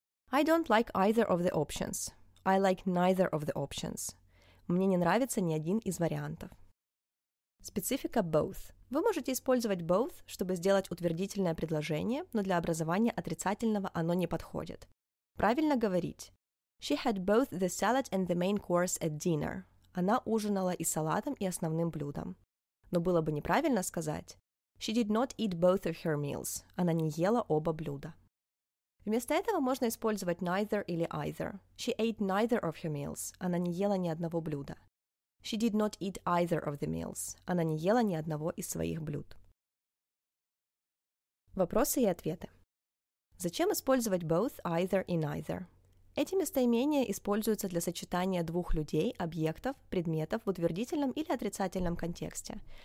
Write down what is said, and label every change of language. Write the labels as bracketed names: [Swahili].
[English] I don't like either of the options. I like neither of the options. [Russian] Мне не нравится ни один из вариантов. Специфика both. Вы можете использовать both, чтобы сделать утвердительное предложение, но для образования отрицательного оно не подходит. Правильно говорить. [English] She had both the salad and the main course at dinner. [Russian] Она ужинала и салатом, и основным блюдом. Но было бы неправильно сказать. [English] She did not eat both of her meals. [Russian] Она не ела оба блюда. Вместо этого можно использовать neither или either. [English] She ate neither of her meals. [Russian] Она не ела ни одного блюда. [English] She did not eat either of the meals. [Russian] Она не ела ни одного из своих блюд. Вопросы и ответы. Зачем использовать both, either и neither? Эти местоимения используются для сочетания двух людей, объектов, предметов в утвердительном или отрицательном контексте.